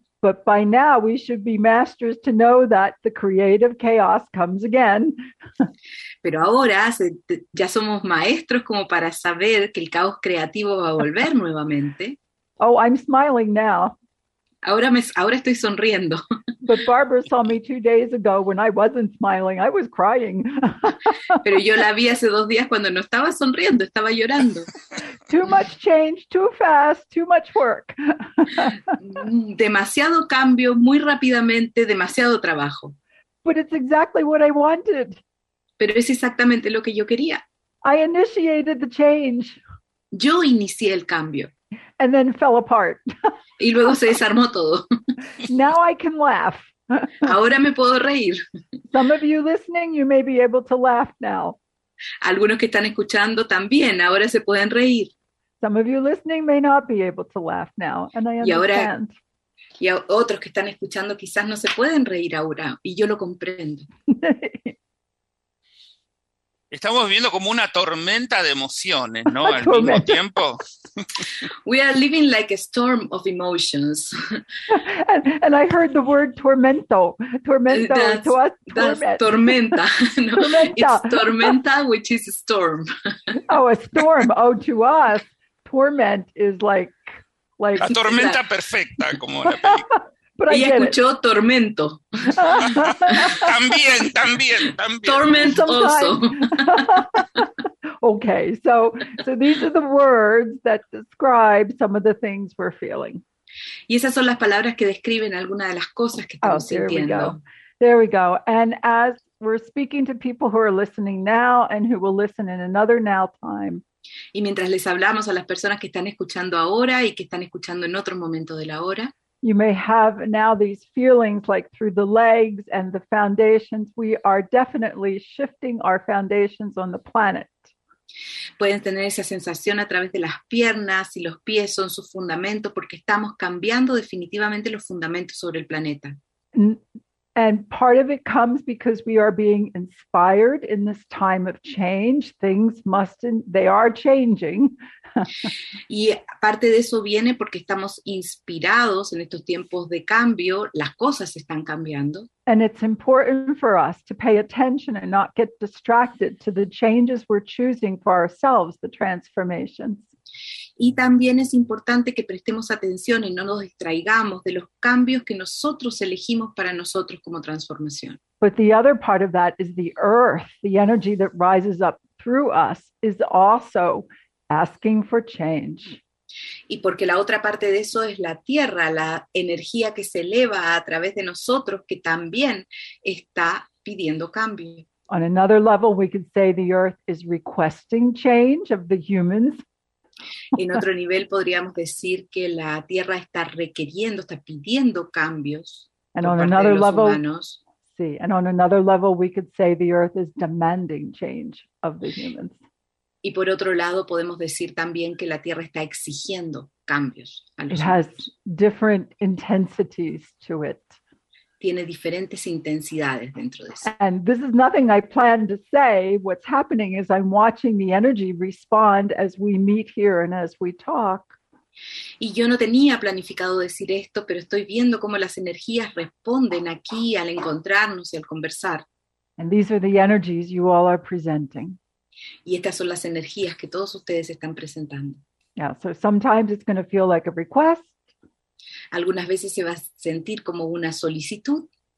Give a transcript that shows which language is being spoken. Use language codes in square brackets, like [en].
[en] But by now we should be masters to know that the creative chaos comes again. [es] Pero ahora ya somos maestros como para saber que el caos creativo va a volver nuevamente. [en] Oh, I'm smiling now. [es] Ahora estoy sonriendo. [en] But Barbara saw me 2 days ago when I wasn't smiling. I was crying. [es] Pero yo la vi hace 2 días cuando no estaba sonriendo, estaba llorando. [en] Too much change, too fast, too much work. [es] Demasiado cambio, muy rápidamente, demasiado trabajo. [en] But it's exactly what I wanted. [es] Pero es exactamente lo que yo quería. [en] I initiated the change. [es] Yo inicié el cambio. [en] And then fell apart. [es] Y luego se desarmó todo. [en] Now I can laugh. [es] Ahora me puedo reír. [en] Some of you listening, you may be able to laugh now. [es] Algunos que están escuchando también, ahora se pueden reír. [en] Some of you listening may not be able to laugh now, and I understand. [es] Y ahora, y otros que están escuchando quizás no se pueden reír ahora, y yo lo comprendo. Estamos viviendo como una tormenta de emociones, ¿no? Al mismo tiempo. [en] We are living like a storm of emotions. And I heard the word tormento. Tormento. That's tormenta. No, tormenta. It's tormenta, which is a storm. Oh, a storm. Oh, to us, torment is like [es] la tormenta perfecta, como la película. [en] But [es] ella escuchó [en] it. Tormento. [es] También. [en] Torment also. Okay, so these are the words that describe some of the things we're feeling. [es] Y esas son las palabras que describen algunas de las cosas que estamos sintiendo. [en] There we go. And as we're speaking to people who are listening now and who will listen in another now time. [es] Y mientras les hablamos a las personas que están escuchando ahora y que están escuchando en otro momento de la hora. [en] You may have now these feelings like through the legs and the foundations. We are definitely shifting our foundations on the planet. [es] Pueden tener esa sensación a través de las piernas y los pies son sus fundamentos porque estamos cambiando definitivamente los fundamentos sobre el planeta. [en] And part of it comes because we are being inspired in this time of change. Things must, they are changing. [es] Y parte de eso viene porque estamos inspirados en estos tiempos de cambio. Las cosas están cambiando. [en] And it's important for us to pay attention and not get distracted to the changes we're choosing for ourselves, the transformations. [es] Y también es importante que prestemos atención y no nos distraigamos de los cambios que nosotros elegimos para nosotros como transformación. [en] But the other part of that is the earth, the energy that rises up through us is also asking for change. [es] Y porque la otra parte de eso es la tierra, la energía que se eleva a través de nosotros que también está pidiendo cambio. [en] On another level, we could say the earth is requesting change of the humans. [es] En otro nivel podríamos decir que la tierra está requiriendo, está pidiendo cambios por parte de los humanos. [en] Sí, and on another level we could say the earth is demanding change of the humans. [es] Y por otro lado podemos decir también que la tierra está exigiendo cambios a los [en] humanos. It has different intensities to it. [es] Tiene diferentes intensidades dentro de sí. [en] And this is nothing I planned to say. What's happening is I'm watching the energy respond as we meet here and as we talk. [es] Y yo no tenía planificado decir esto, pero estoy viendo cómo las energías responden aquí al encontrarnos y al conversar. [en] And these are the energies you all are presenting. [es] Y estas son las energías que todos ustedes están presentando. [en] Yeah, so sometimes it's going to feel like a request. [es] Algunas veces se va a sentir como una solicitud.